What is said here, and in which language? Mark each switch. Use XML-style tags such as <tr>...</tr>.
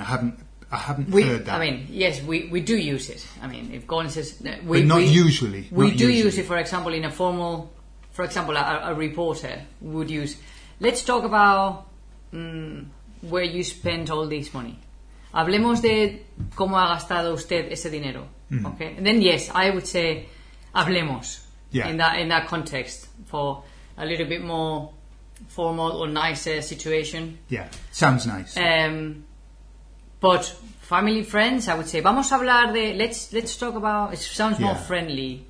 <en>I haven't heard that. I mean, yes, we do use it. I mean, if Gordon says... But not usually. We do use it, for example, in a formal... For example, a reporter would use... Let's talk about where you spent all this money.</en> <es>Hablemos de cómo ha gastado usted ese dinero. Mm-hmm.</es> <en>Okay? And then, yes, I would say hablemos yeah. in that context for a little bit more... formal or nicer situation. Yeah, sounds nice. But family, friends, I would say,</en> <es>vamos a hablar de,</es> <en>let's talk about, it sounds more friendly,</en>